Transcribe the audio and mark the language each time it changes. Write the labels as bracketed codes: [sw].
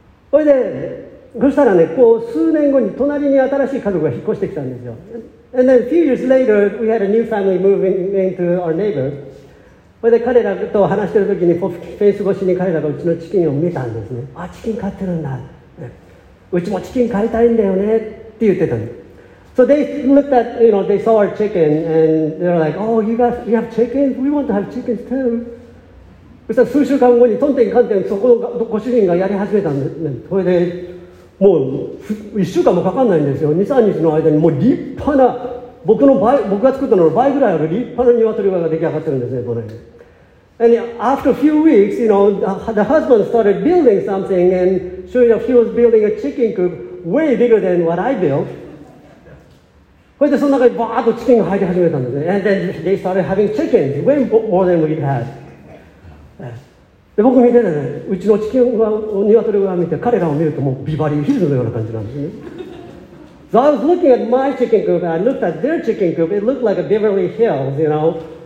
[ja] それで、そしたらね、こう数年後に隣に新しい家族が引っ越してきたんですよ。 [en] And then a few years later, we had a new family moving into our neighbor. [ja] それで彼らと話してる時にフェンス越しに彼らがうちのチキンを見たんですね。あ、チキン飼ってるんだ、うちもチキン飼いたいんだよねって言ってたの。 [en] So they looked at, you know, they saw our chicken and they were like, oh, you have chickens? We want to have chickens too. [ja] そしたら数週間後にトンテンカンテンそこのご主人がやり始めたんですね。それでもう1週間もかかんないんですよ。 2,3 日の間にもう立派な僕が作ったのの倍ぐらいある立派な鶏小屋が出来上がってるんですね、この辺。 [en] And after a few weeks, you know, the husband started building something, and sure enough, he was building a chicken coop way bigger than what I built. [ja] それでその中にバーッとチキンが入り始めたんですね。 [en] And then they started having chickens, way more than we had. [ja] で僕見てね、うちのチキンは鶏小屋見て、彼らを見るともうビバリーヒルズのような感じなんですね。 [en] So I was looking at my chicken coop and I looked at their chicken coop. It looked like a Beverly Hills, you know.